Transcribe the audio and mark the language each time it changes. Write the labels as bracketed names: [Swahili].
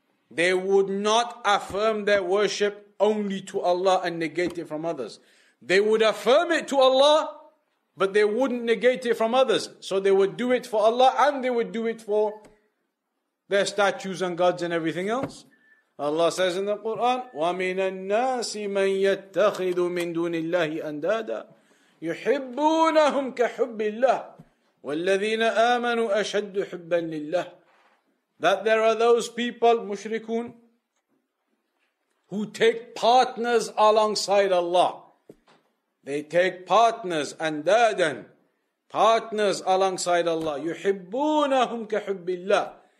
[English] They would not affirm their worship only to Allah and negate it from others. They would affirm it to Allah, but they wouldn't negate it from others. So they would do it for Allah and they would do it for their statues and gods and everything else. Allah says in the Quran, [Arabic] وَمِنَ النَّاسِ مَنْ يَتَّخِذُ مِنْ دُونِ اللَّهِ أَنْدَادًا يُحِبُّونَهُمْ كَحُبِّ اللَّهِ وَالَّذِينَ آمَنُوا أَشَدُّ حُبًّا لِلَّهِ. [English] That there are those people, mushrikun, who take partners alongside Allah. They take partners, andadan, partners alongside Allah. [Arabic] يُحِبُّونَهُمْ كَحُبِّ اللَّهِ.